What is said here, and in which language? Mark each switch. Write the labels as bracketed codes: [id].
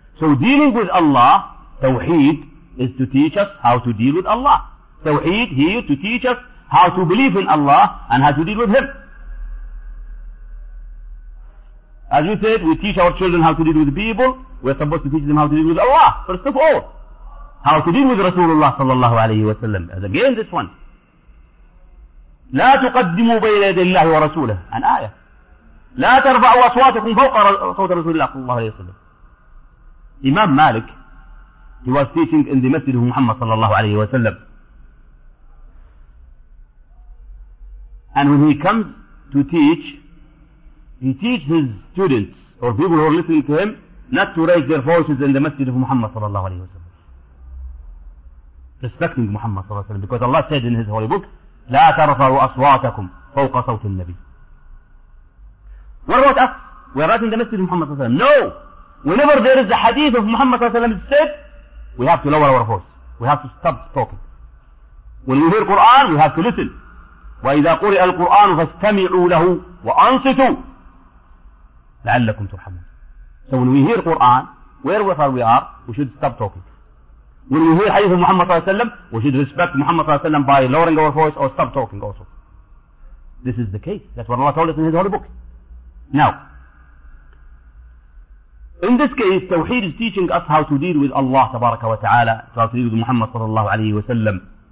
[en] So dealing with Allah, Tawheed, is to teach us how to deal with Allah. Tawheed here to teach us how to believe in Allah and how to deal with Him. As we said, we teach our children how to deal with people. We are supposed to teach them how to deal with Allah, first of all. How to deal with Rasulullah sallallahu alayhi wa sallam. Again, this one. [ar] لا تقدموا بين يدي الله ورسوله. [en] An ayah. [ar] لا ترفعوا أصواتكم فوق صوت رسول الله صلى الله عليه وسلم. [en] Imam Malik, he was teaching in the Masjid of Muhammad sallallahu alayhi wa sallam. And when he comes to teach, he teaches his students, or people who are listening to him, not to raise their voices in the Masjid of Muhammad sallallahu alayhi wa sallam. Respecting Muhammad صلى الله عليه وسلم, because Allah said in His holy book, [ar] لا ترفعوا أصواتكم فوق صوت النبي. [en] What about us? We are not in the Masjid of Muhammad صلى الله عليه وسلم. No! Whenever there is a hadith of Muhammad صلى الله عليه وسلم said, we have to lower our voice. We have to stop talking. When we hear Quran, we have to listen. [ar] وإذا قرئ القرآن فاستمعوا له وأنصتوا لعلكم ترحمون. [en] So when we hear Quran, wherever we are, we should stop talking. When we hear hadith of Muhammad صلى الله عليه وسلم, we should respect Muhammad صلى الله عليه وسلم by lowering our voice or stop talking also. This is the case. That's what Allah told us in His holy book. Now, in this case, Tawheed is teaching us how to deal with Allah tabaraka wa ta'ala, how to deal with Muhammad صلى الله عليه وسلم.